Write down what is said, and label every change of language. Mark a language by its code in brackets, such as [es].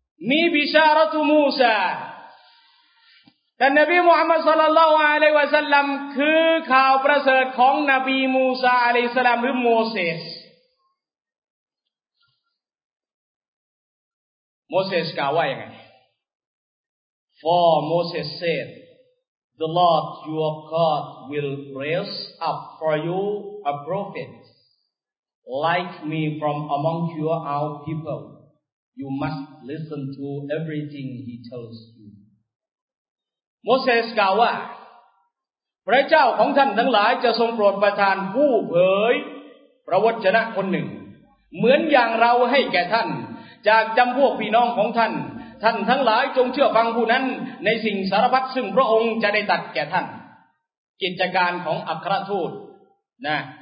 [th] มีบิชารัตุมูซาท่านนบีมุฮัมมัดศ็อลลัลลอฮุอะลัยฮิวะซัลลัมคือข่าวประเสริฐของนบีมูซาอะลัยฮิสสลามหรือโมเสสMoses กล่าวว่าอย่างไร [en] For Moses said, The Lord your God will raise up for you a prophet like me from among your own people. You must listen to everything he tells you. [th] Moses กล่าวว่าพระเจ้าของท่านทั้งหลายจะทรงโปรดประทานผู้เผยพระวจนะคนหนึ่งเหมือนอย่างเราให้แก่ท่านจากจำพวกพี่น้องของท่านท่านทั้งหลายจงเชื่อฟังผู้นั้นในสิ่งสารพัดซึ่งพระองค์จะได้ตัดแก่ท่านกิจการของอัครทูตนะ